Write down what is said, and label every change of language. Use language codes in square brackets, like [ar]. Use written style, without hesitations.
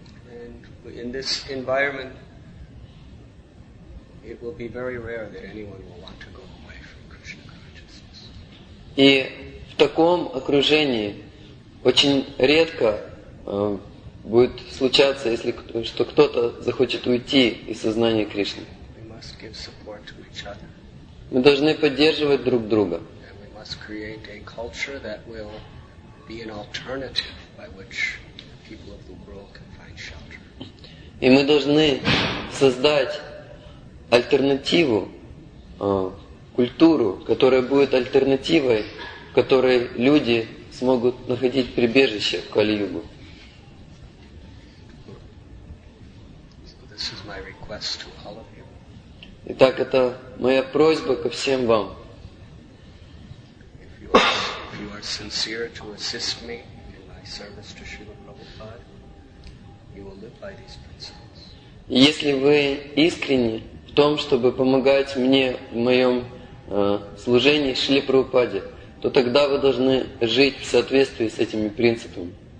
[en] And in this environment, it will be very rare that anyone will want to go away from Krishna consciousness. [ru] И в таком окружении очень редко будет случаться, если что кто-то захочет уйти из сознания Кришны. [en] We must give support to each other. [ru] Мы должны поддерживать друг друга. [en] Create a culture that will be an alternative by which people of the world can find shelter. [ru] И мы должны создать альтернативу, культуру, которая будет альтернативой, в которой люди смогут находить прибежище в Кали-Югу. [en] This is my request to all of you. [ru] Итак, это моя просьба ко всем вам. [en] If you are sincere to assist me in my service to Srila Prabhupada, you will live by these principles. [ru] Если вы искренни в том, чтобы помогать мне в моем служении Шри Прабхупаде, то тогда вы должны жить в соответствии с этими принципами.